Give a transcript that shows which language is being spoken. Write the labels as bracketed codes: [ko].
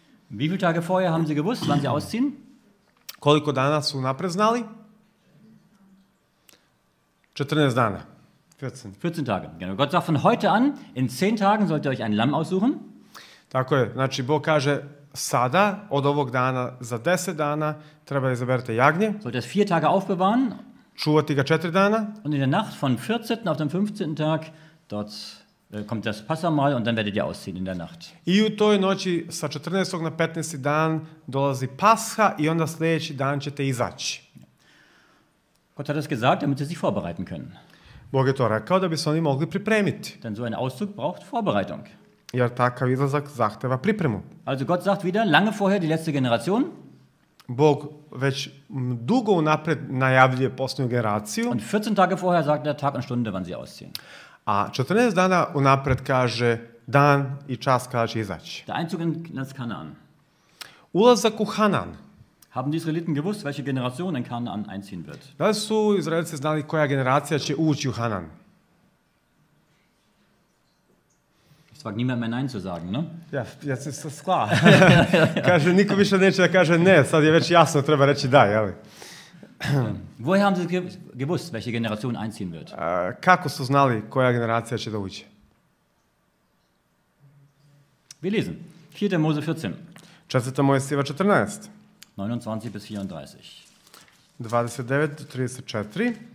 [de] Wie viele Tage vorher haben Sie gewusst, wann Sie ausziehen? [sr] Koliko dana su napred znali? 14 dana. [de] 14 Tage. Genau. Gott sagt, von heute an, in 10 Tagen sollt ihr euch ein Lamm aussuchen. [sr] Tako je. Znači, Bog kaže, sada, od ovog dana, za 10 dana, treba izaberete jagnje. [de] Sollt ihr es 4 Tage aufbewahren. [sr] Čuvati ga 4 dana. [de] Und in der Nacht von 14. auf den 15. Tag, dort kommt das Passamal und dann werdet ihr ausziehen in der Nacht. [sr] I u toj noći, sa 14. na 15. dan, dolazi Pascha i onda sljedeći dan ćete izaći. [de] Gott hat es gesagt, damit sie sich vorbereiten können. [sr] Bog je to rekao da bi se oni mogli pripremiti. [de] Denn so ein Auszug braucht Vorbereitung. [sr] Jer takav izlazak zahteva pripremu. [de] Also Gott sagt wieder, lange vorher die letzte Generation. [sr] Bog već dugo unapred najavljuje posljednju generaciju. [de] Und 14 Tage vorher sagt er Tag und Stunde, wann sie ausziehen. [sr] A 14 dana unapred kaže dan i čas kada će izaći. [de] Der Einzug in das Kanaan. [sr] Ulazak u Kanaan. [de] Haben die Israeliten gewusst, welche Generation in Kanaan einziehen wird? [sr] Da li su Izraelci znali koja generacija će ući u Kanaan? [de] Fakt niemand mehr Nein zu sagen, ne? Ja, jetzt ist das klar. [sr] Kaže, niko više neće da kaže ne, sad je već jasno, treba reći da, jel? [de] Woher haben Sie gewusst, welche Generation einziehen wird? [sr] Kako su znali koja generacija će da uđe? [de] Wir lesen. 4. Mose 14. [sr] 4. Mojsijeva 14. [de] 29 bis 34. [sr] 29 do 34.